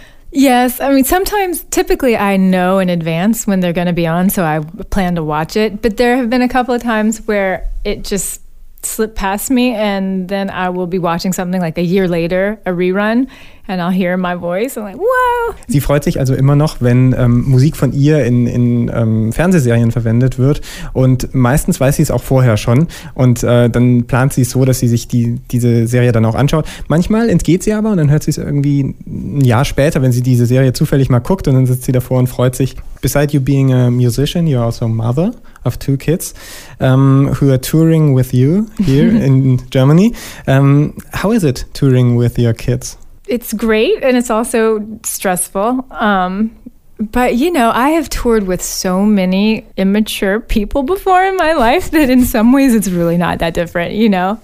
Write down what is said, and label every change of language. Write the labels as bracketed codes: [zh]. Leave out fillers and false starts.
[en] Yes. I mean, sometimes, typically, I know in advance when they're going to be on, so I plan to watch it. But there have been a couple of times where it just slipped past me, and then I will be watching something like a year later, a rerun, and I'll hear my voice. I'm like, wow. [de] Sie freut sich also immer noch, wenn Musik von ihr in Fernsehserien verwendet wird. Und meistens weiß sie es auch vorher schon. Und dann plant sie es so, dass sie sich diese Serie dann auch anschaut. Manchmal entgeht sie aber und dann hört sie es irgendwie ein Jahr später, wenn sie diese Serie zufällig mal guckt. Und dann sitzt sie davor und freut sich. [en] Besides you being a musician, you're also a mother of two kids who are touring with you here in Germany. How is it touring with your kids? It's great, and it's also stressful. But, you know, I have toured with so many immature people before in my life that in some ways it's really not that different, you know?